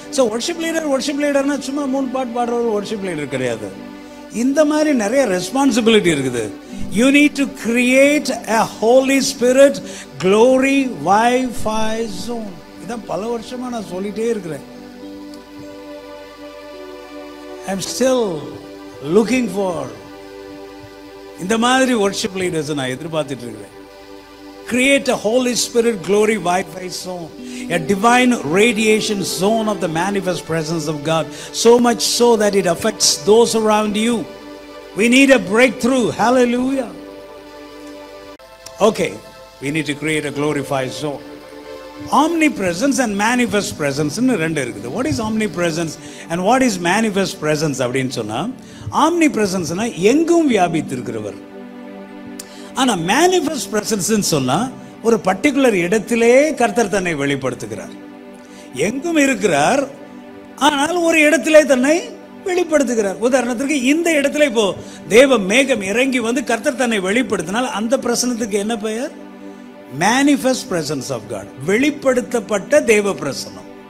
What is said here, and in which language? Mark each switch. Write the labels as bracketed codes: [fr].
[ta] So worship leader, worship லீடர்னா சும்மா மூணு பாட்டு பாடுற ஒரு வர்ஷிப் லீடர் கிடையாது. இந்த மாதிரி நிறைய ரெஸ்பான்சிபிலிட்டி இருக்குது. [en] You need to create a holy spirit glory wifi zone. [ta] இதான் பல வருஷமாக நான் சொல்லிட்டே இருக்கிறேன். [en] I'm still looking for [ta] இந்த மாதிரி [en] worship leaders [ta] நான் எதிர்பார்த்துட்டு இருக்கிறேன். [en] Create a Holy Spirit glory Wi-Fi zone, a divine radiation zone of the manifest presence of God, so much so that it affects those around you. We need a breakthrough. Hallelujah. Okay, we need to create a glorify zone. Omnipresence and manifest presence [ta] னு ரெண்டு இருக்குது. [en] What is omnipresence and what is manifest presence [ta] அப்படினு சொன்னா, [en] omnipresence [ta] னா எங்கும் வியாபித்திருக்கிறவர். ஆனா manifest presence னு சொன்னா ஒரு பர்టిక్యులர் இடத்திலே கர்த்தர் தன்னை வெளிப்படுத்துகிறார். எங்கும் இருக்கிறார், ஆனால் ஒரு இடத்திலே தன்னை வெளிப்படுத்துகிறார். உதாரணத்துக்கு இந்த இடத்திலே இப்போ தேவ மேகம் இறங்கி வந்து கர்த்தர் தன்னை வெளிப்படுத்தினால் அந்த பிரசன்னத்துக்கு என்ன பெயர், [en] manifest presence of God, [ta] வெளிப்படுத்தப்பட்ட தேவ பிரசன்னம்.